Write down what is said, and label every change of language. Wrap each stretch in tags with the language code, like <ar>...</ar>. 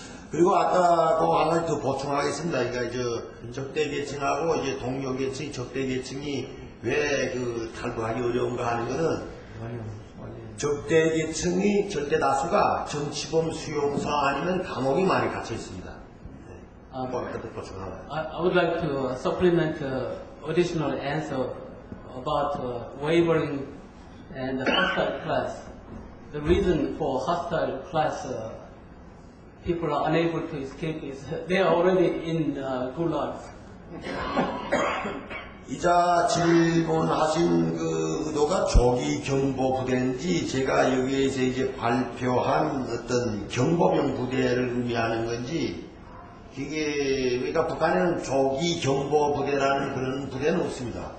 <ko>그리고 아까 또 하나 더 보충하겠습니다. 그러니까 이제 적대계층하고 이제 동료계층, 적대계층이 왜 그 탈북하기 어려운가 하는 거는 적대계층이 절대 다수가 정치범 수용소 아니면 감옥이 많이 갇혀 있습니다. 네. 뭐 아까도 보충하나요?</ko> <en>I would like to supplement additional answer about wavering and hostile class. The reason for hostile class people are unable to escape is they are already in gulags.</en> <ko>이자 질문하신 그 의도가 조기 경보 부대인지 제가 여기에서 이제 발표한 어떤 경보병 부대를 의미하는 건지 그게 그러니까 북한에는 조기 경보 부대라는 그런 부대는 없습니다.</ko>